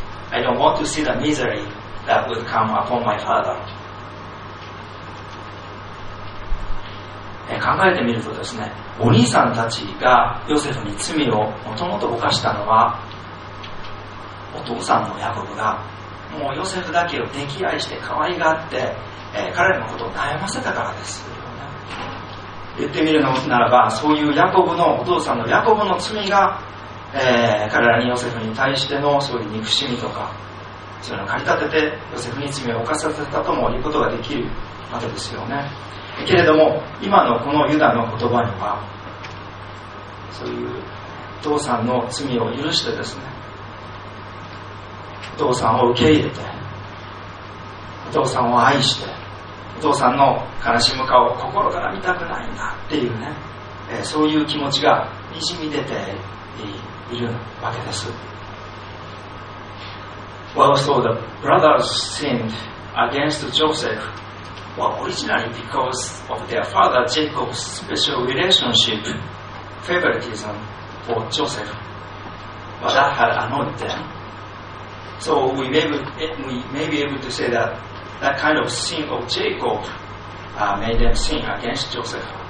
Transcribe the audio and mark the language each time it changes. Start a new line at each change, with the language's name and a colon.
English: I don't want to see the misery that would come upon my father.
Japanese: 考えてみるとですね、お兄さんたちがヨセフに罪をもともと犯したのは、お父さんのヤコブがもうヨセフだけを溺愛して可愛がって、彼らのことを悩ませたからですよ、ね、言ってみるのならば、そういうヤコブの、お父さんのヤコブの罪が、彼らにヨセフに対してのそういう憎しみとか、そういうのを駆り立ててヨセフに罪を犯させたとも言うことができるわけですよね。けれども今のこのユダの言葉には、そういうお父さんの罪を許してですね、お父さんを受け入れて、お父さんを愛して、お父さんの悲しむ顔を心から見たくないんだっていうね、そういう気持ちがにじみ出ているわけです。
English: Well, so the brothers sinned against JosephWell, originally because of their father Jacob's special relationship, favoritism for Joseph. But that had annoyed them. So we may be able to say that that kind of sin of Jacob made them sin against Joseph.